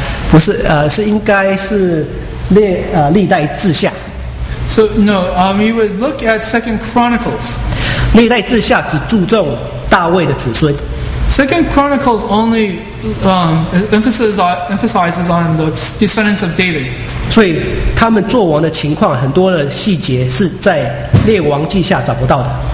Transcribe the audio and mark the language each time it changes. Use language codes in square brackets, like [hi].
[zh] 不是是应该是历代志下。 [en] So no, you would look at Second Chronicles. [zh] 历代志下只注重大卫的子孙。 [en] Second Chronicles only emphasizes on the descendants of David. [zh] 所以他们作王的情况，很多的细节是在列王记下找不到的。